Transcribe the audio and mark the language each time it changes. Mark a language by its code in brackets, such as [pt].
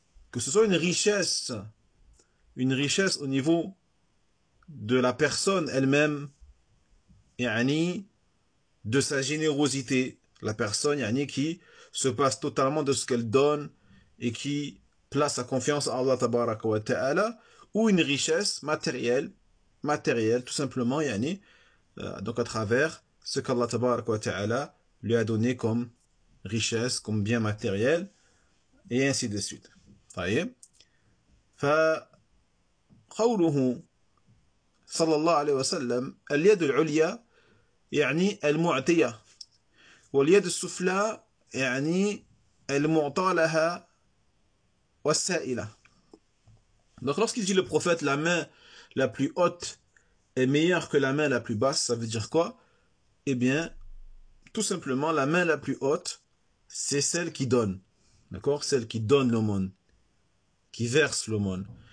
[fr] Que ce soit une richesse au niveau de la personne elle-même, yani de sa générosité, la personne yani qui se passe totalement de ce qu'elle donne et qui place sa confiance en Allah tabaraka wa ta'ala, ou une richesse matérielle tout simplement yani, donc à travers ce qu'Allah tabaraka wa ta'ala lui a donné comme richesse, comme bien matériel, et ainsi de suite. [ar] طيب فقوله صلى الله عليه وسلم اليد العليا يعني المعطية واليد السفلى يعني المعطى لها والسائلة. [fr] Donc lorsqu'il dit le prophète la main la plus haute est meilleure que la main la plus basse, ça veut dire quoi? Eh bien, tout simplement, la main la plus haute, c'est celle qui donne. D'accord? Celle qui donne l'aumône, qui verse l'aumône.